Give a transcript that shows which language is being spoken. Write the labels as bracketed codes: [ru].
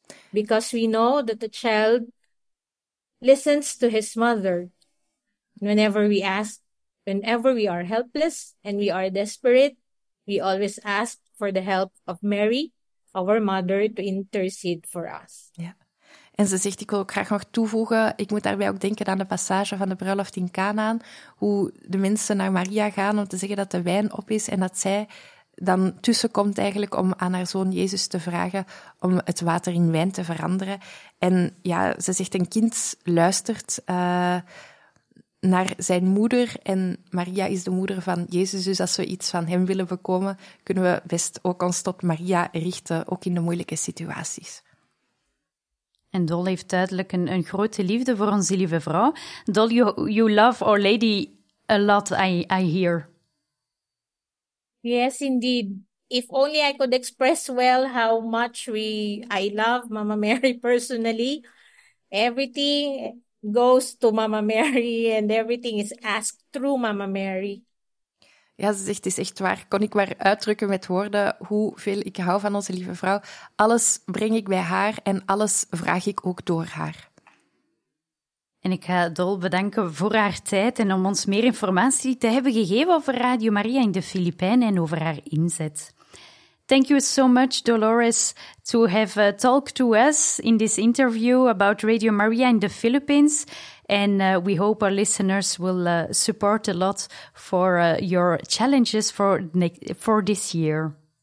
[en] Because we know that the child listens to his mother. Whenever we ask, whenever we are helpless and we are desperate, we always ask for the help of Mary, our mother, to intercede for us. [nl] Ja. En ze zegt, ik wil ook graag nog toevoegen, ik moet daarbij ook denken aan de passage van de bruiloft in Canaan, hoe de mensen naar Maria gaan om te zeggen dat de wijn op is en dat zij dan tussenkomt eigenlijk om aan haar zoon Jezus te vragen om het water in wijn te veranderen. En ja, ze zegt, een kind luistert naar zijn moeder en Maria is de moeder van Jezus. Dus als we iets van hem willen bekomen, kunnen we best ook ons tot Maria richten, ook in de moeilijke situaties. En Dol heeft duidelijk een grote liefde voor Onze Lieve Vrouw. [en] Dol, you love Our Lady a lot, I hear. Yes, indeed. If only I could express well how much I love Mama Mary personally. Everything goes to Mama Mary and everything is asked through Mama Mary. [nl] Ja, ze zegt, het is echt waar. Kon ik maar uitdrukken met woorden hoeveel ik hou van Onze Lieve Vrouw. Alles breng ik bij haar en alles vraag ik ook door haar. En ik ga Dol bedanken voor haar tijd en om ons meer informatie te hebben gegeven over Radio Maria in de Filipijnen en over haar inzet. [en] Thank you so much, Dolores, to have talked to us in this interview about Radio Maria in the Philippines. And we hope our listeners will support a lot for your challenges for this year.